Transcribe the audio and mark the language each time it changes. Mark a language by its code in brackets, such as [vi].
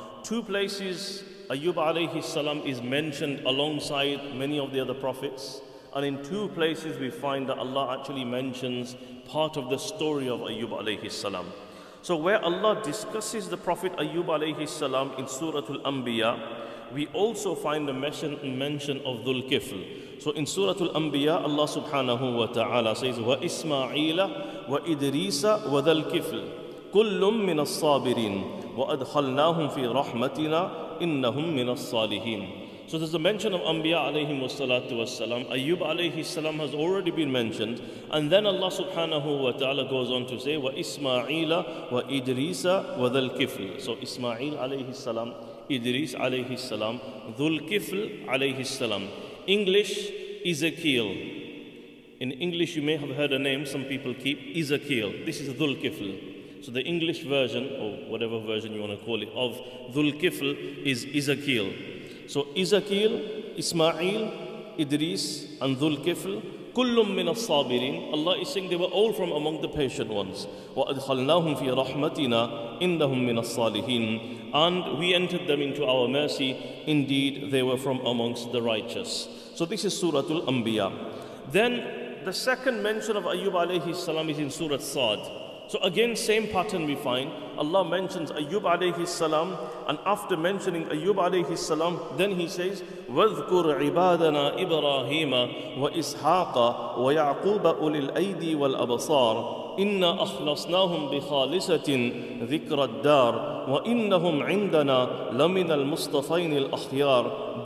[en] Two places Ayyub alayhi salam is mentioned alongside many of the other prophets, and in two places we find that Allah actually mentions part of the story of Ayyub alayhi salam. So where Allah discusses the Prophet Ayyub alayhi salam in Surah Al-Anbiya, we also find a mention of Dhul-Kifl. So in Surah Al-Anbiya, Allah subhanahu wa ta'ala says, [ar] وَإِسْمَعِيلَ وَإِدْرِيسَ وَذَلْكِفْلِ كُلٌّ مِّنَ الصَّابِرِينَ وَأَدْخَلْنَاهُمْ فِي رَحْمَتِنَا إِنَّهُمْ مِّنَ الصَّالِحِينَ. [en] So there's a mention of Anbiya alayhim wa salatu wa salam. Ayyub alayhi salam has already been mentioned. And then Allah subhanahu wa ta'ala goes on to say, [ar] وَإِسْمَعِيلَ وَإِدْرِيسَ وَذَلْكِفْلِ. [en] So Ismail alayhi salam, Idris alayhi salam, Dhul-Kifl alayhi salam. English, Ezekiel. In English, you may have heard a name some people keep, Ezekiel. This is Dhul-Kifl. So the English version, or whatever version you want to call it, of Dhul-Kifl is Ezekiel. So Ezekiel, Ismail, Idris, and Dhul-Kifl, [ar] kullum min as-sabirin. [en] Allah is saying they were all from among the patient ones. [ar] Wa adkhalnahum fi rahmatina, innahum min as-salihin. [en] And we entered them into our mercy, indeed they were from amongst the righteous. So this is Surah Al-Anbiya. Then the second mention of Ayyub alayhi salam is in Surah Sa'd. So again, same pattern we find. Allah mentions Ayyub alayhi salam, and after mentioning Ayyub alayhi salam, then he says, [ar] وَذْكُرْ عِبَادَنَا إِبْرَاهِيمَ وَإِسْحَاقَ وَيَعْقُوبَ أُولِي الْأَيْدِي وَالْأَبْصَارِ إِنَّا أَخْلَصْنَاهُمْ بِخَالِصَةٍ ذِكْرَ الدَّارِ وَإِنَّهُمْ عِنْدَنَا لَمِنَ الْمُصْطَفَيْنِ الْأَخْيَارِ.